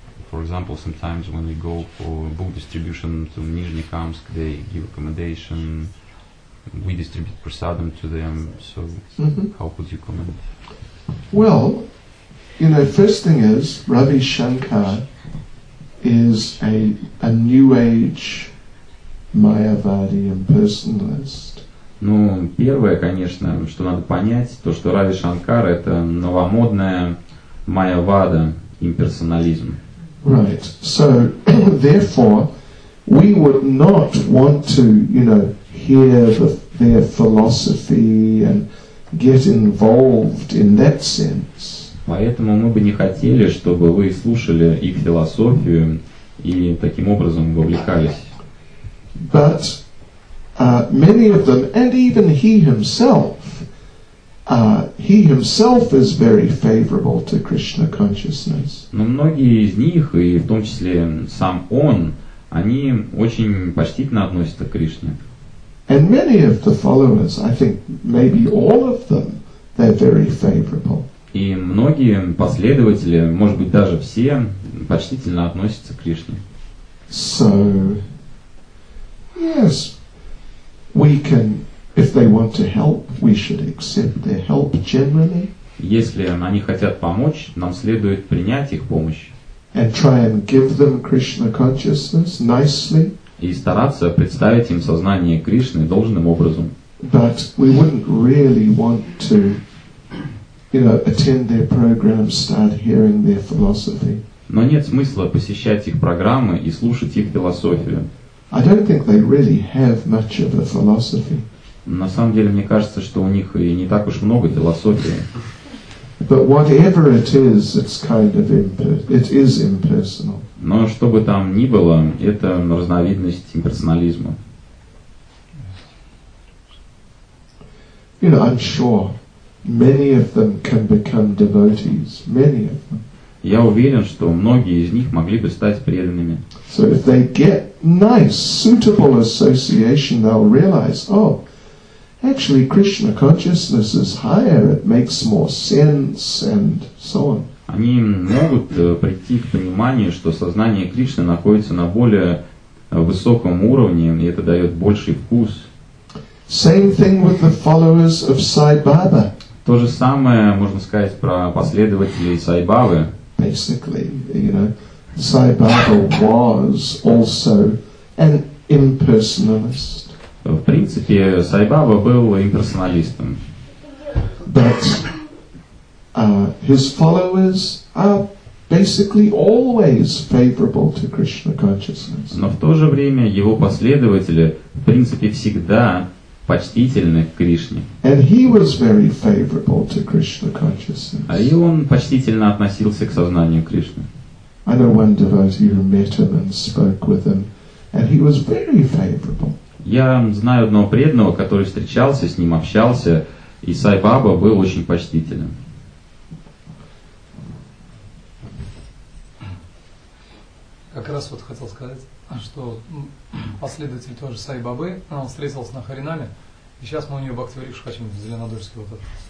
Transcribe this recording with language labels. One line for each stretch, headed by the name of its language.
English: For example, sometimes when we go for book distribution to Nizhnekamsk, they give accommodation, we distribute prasadam to them. So how could you comment? Well, you know, first thing is Ravi Shankar is a new age Mayavadi impersonalist.
Russian: Ну, первое, конечно, что надо понять, то, что Рави Шанкар – это новомодная майявада, имперсонализм.
English: Right. So, therefore, we would not want to, you know, hear their philosophy and get involved in that sense.
Russian: Поэтому мы бы не хотели, чтобы вы слушали их философию и таким образом вовлекались.
English: But many of them, and even he himself is very favorable to Krishna consciousness.
Russian: Но многие из них, и в том числе сам он, они очень почтительно относятся к Кришне.
English: And many of the followers, I think maybe all of them, they're very favorable.
Russian: И многие последователи, может быть даже все, почтительно относятся к Кришне.
English: So, yes, we can, if they want to help, we should accept their help generally.
Russian: Если они хотят помочь, нам следует принять их помощь.
English: And try and give them Krishna consciousness nicely.
Russian: И стараться представить им сознание Кришны должным образом.
English: But we wouldn't really want to, you know, attend their programs, start hearing their philosophy.
Russian: Но нет смысла посещать их программы и слушать их философию.
English: I don't think they really have much of a philosophy.
Russian: На самом деле, мне кажется, что у них и не так уж много философии.
English: But whatever it is, it's kind of it is impersonal.
Russian: Но что бы там ни было, это разновидность имперсонализма.
English: You know, I'm sure many of them can become devotees. Many of them.
Russian: Я уверен, что многие из них могли бы стать преданными.
English: So if they get nice, suitable association, they'll realize, oh, actually Krishna consciousness is higher, it makes more sense, and so on.
Russian: Они могут прийти к пониманию, что сознание Кришны находится на более высоком уровне, и это дает больший вкус.
English: Same thing with the followers of Sai Baba.
Russian: То же самое можно сказать про последователей Сай Бабы.
English: Basically, you know, Sai Baba was also an impersonalist.
Russian: В принципе, Сай Баба был имперсоналистом.
English: But his followers are basically always favorable to Krishna consciousness.
Russian: Но в то же время его последователи, в принципе, всегда почтительны к Кришне.
English: And he was very favorable to Krishna consciousness.
Russian: А и он почтительно относился к сознанию Кришны.
English: I know one devotee who met him and spoke with him, and he was very favorable.
Russian: Я знаю одного преданного, который встречался с ним, общался, и Сай Баба был очень почтителен. Как раз вот хотел сказать, что последователь тоже Сай Бабы, он встретился на Харинаме, и сейчас мы у нее Бхактиварикшу хотим в Зеленодольске вот этот.